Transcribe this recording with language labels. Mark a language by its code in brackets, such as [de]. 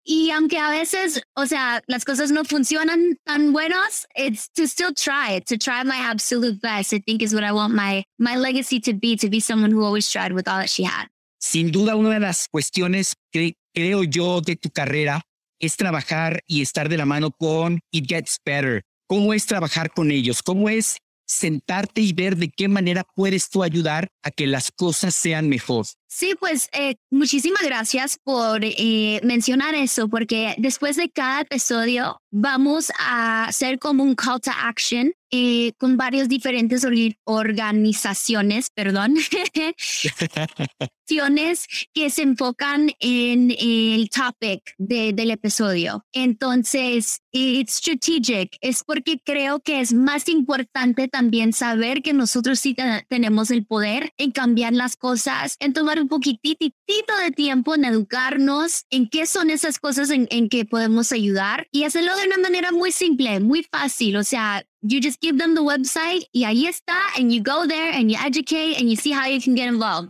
[es] Y aunque a veces, o sea, las cosas no funcionan tan buenas, [en] it's to still try it, to try my absolute best, I think is what I want my legacy to be someone who always tried with all that she had. [es] Sin duda, una de las cuestiones que creo yo de tu carrera es trabajar y estar de la mano con It Gets Better. ¿Cómo es trabajar con ellos? ¿Cómo es sentarte y ver de qué manera puedes tú ayudar a que las cosas sean mejor? Sí, pues muchísimas gracias por mencionar eso, porque después de cada episodio vamos a hacer como un [en] call to action [es] con varias diferentes organizaciones, perdón, acciones que se enfocan en el topic del episodio. Entonces, [en] it's strategic. [es] Es porque creo que es más importante también saber que nosotros sí tenemos el poder en cambiar las cosas, en tomar un poquitito de tiempo en educarnos en qué son esas cosas en que podemos ayudar y hacerlo de una manera muy simple, muy fácil. O sea, [en] you just give them the website [es] y ahí está, [en] and you go there and you educate and you see how you can get involved.